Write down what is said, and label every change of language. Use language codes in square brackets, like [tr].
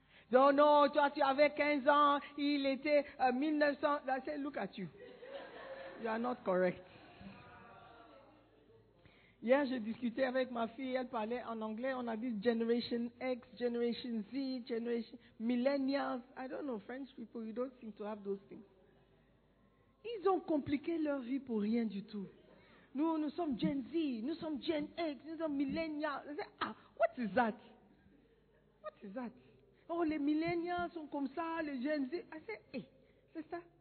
[fr] Non, non, toi tu avais 15 ans, il était 1900. [en] Look at you. You are not correct. [fr] Hier, je discutais avec ma fille, elle parlait en anglais, on a dit Generation X, Generation Z, Generation Millennials. [en] I don't know, French people, you don't seem to have those things. [fr] Ils ont compliqué leur vie pour rien du tout. Nous, nous sommes Gen Z, nous sommes Gen X, nous sommes Millennials. Ah, [en] what is that? What is that? [fr] Oh, les Millennials sont comme ça, les Gen Z. [en] I said, hey, [fr] c'est ça?